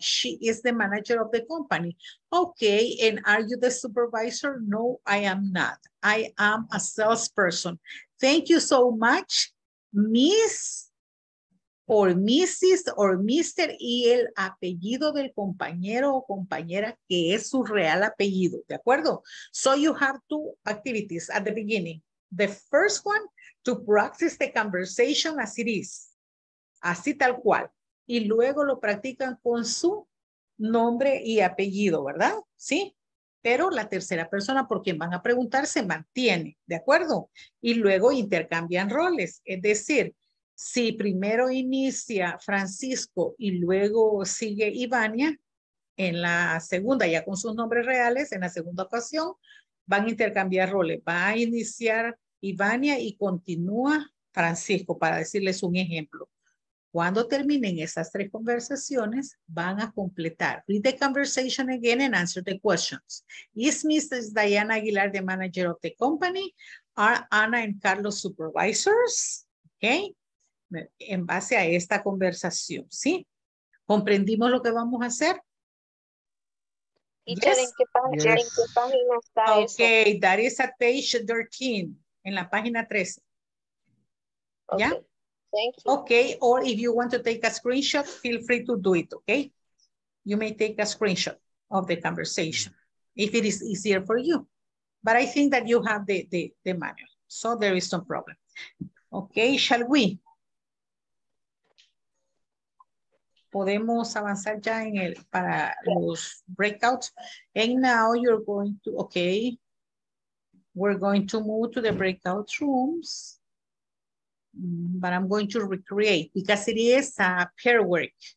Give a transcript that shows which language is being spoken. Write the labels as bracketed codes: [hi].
[en] She is the manager of the company. Okay, and are you the supervisor? No, I am not. I am a salesperson. Thank you so much, Miss or Mrs. or Mr. [es] Y el apellido del compañero o compañera que es su real apellido. ¿De acuerdo? [en] So you have two activities at the beginning. The first one, to practice the conversation as it is, [es] así tal cual. Y luego lo practican con su nombre y apellido, ¿verdad? Sí, pero la tercera persona por quien van a preguntar se mantiene, ¿de acuerdo? Y luego intercambian roles. Es decir, si primero inicia Francisco y luego sigue Ivania, en la segunda, ya con sus nombres reales, en la segunda ocasión, van a intercambiar roles. Va a iniciar Ivania y continúa Francisco, para decirles un ejemplo. Cuando terminen esas tres conversaciones, van a completar. [en] Read the conversation again and answer the questions. Is Mrs. Diana Aguilar the manager of the company? Are Ana and Carlos supervisors? Okay. [es] En base a esta conversación, ¿sí? ¿Comprendimos lo que vamos a hacer? [en] Yes. Okay, that is at page 13. [es] En la página 13. [en] Yeah? Thank you. Okay, or if you want to take a screenshot, feel free to do it, okay? You may take a screenshot of the conversation if it is easier for you. But I think that you have the manual. So there is no problem. Okay, shall we? [es] Podemos avanzar ya en el para los breakouts. [en] And now you're going to, okay. We're going to move to the breakout rooms. but I'm going to recreate because it is a pair work.